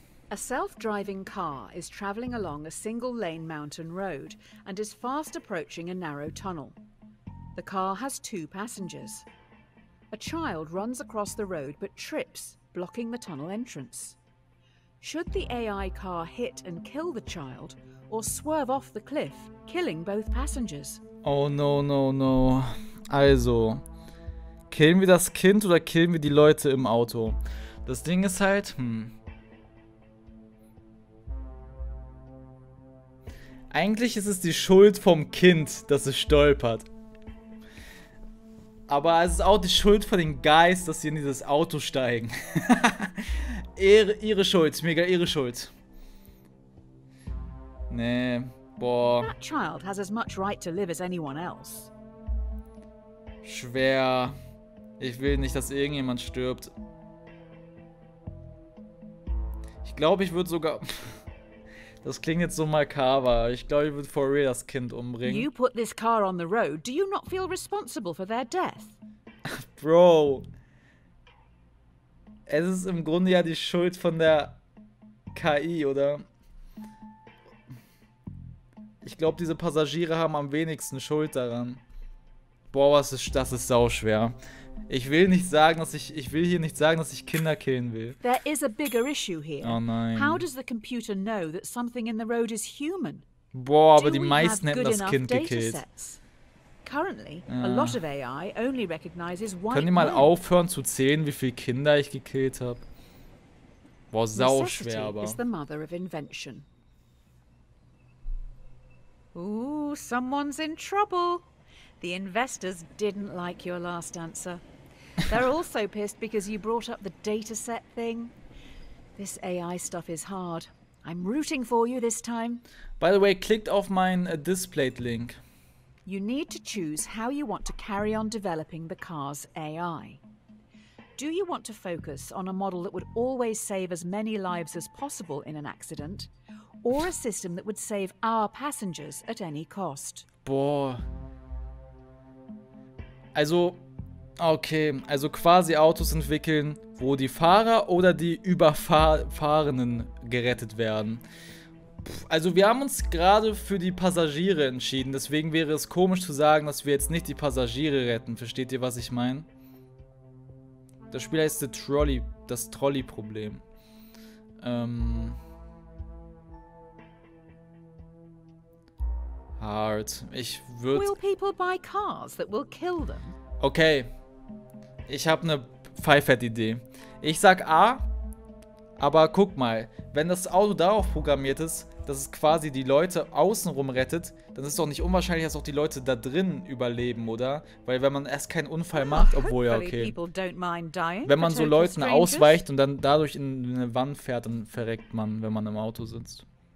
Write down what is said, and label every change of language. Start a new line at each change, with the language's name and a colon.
English: A self-driving car is traveling along a single-lane mountain road and is fast approaching a narrow tunnel. The car has two passengers. A child runs across the road but trips, blocking the tunnel entrance. Should the AI car hit and kill the child, or swerve off the cliff, killing both passengers? Oh no, no, no.
German: Also, killen wir das Kind oder killen wir die Leute im Auto? Das Ding ist halt, eigentlich ist es die Schuld vom Kind, dass es stolpert. Aber es ist auch die Schuld von dem Geist, dass sie in dieses Auto steigen. ihre Schuld, mega ihre Schuld. Nee, boah.
English: That child has as much right to live as anyone else.
German: Schwer. Ich will nicht, dass irgendjemand stirbt. Ich glaube, ich würde sogar... Das klingt jetzt so makaber. Ich glaube, ich würde
English: for real
German: das Kind umbringen.
English: You put this car on the road. Do you not feel responsible for their death? Bro.
German: Es ist im Grunde ja die Schuld von der KI, oder? Ich glaube, diese Passagiere haben am wenigsten Schuld daran. Boah, das ist sauschwer. Ich will hier nicht sagen, dass ich Kinder killen will.
English: There is a bigger issue here.
German: Oh nein.
English: How does the computer know that something in the road is human?
German: Boah, aber die meisten hätten das Kind gekillt.
English: Currently, a lot of AI only recognizes white.
German: Können die mal aufhören zu zählen, wie viele Kinder ich gekillt habe? Boah, sauschwer, aber.
English: Necessity is the mother of invention. Ooh, someone's in trouble. The investors didn't like your last answer. They're also pissed because you brought up the dataset thing. This AI stuff is hard. I'm rooting for you this time. By the way,
German: klickt auf mein
English: displayed link. You need to choose how you want to carry on developing the car's AI. Do you want to focus on a model that would always save as many lives as possible in an accident, or a system that would save our passengers at any cost? Boah.
German: Also, okay, also quasi Autos entwickeln, wo die Fahrer oder die Überfahrenden gerettet werden. Also wir haben uns gerade für die Passagiere entschieden, deswegen wäre es komisch zu sagen, dass wir jetzt nicht die Passagiere retten. Versteht ihr, was ich meine? Das Spiel heißt das Trolley-Problem. Hard. Ich würde...
English: Will people buy cars that will kill them?
German: Okay. Ich habe eine Pfeifert-Idee. Ich sag A, aber guck mal, wenn das Auto darauf programmiert ist, dass es quasi die Leute außenrum rettet, dann ist es doch nicht unwahrscheinlich, dass auch die Leute da drin überleben, oder? Weil wenn man erst keinen Unfall macht, obwohl ja, okay. Wenn man so Leuten ausweicht und dann dadurch in eine Wand fährt, dann verreckt man, wenn man im Auto sitzt.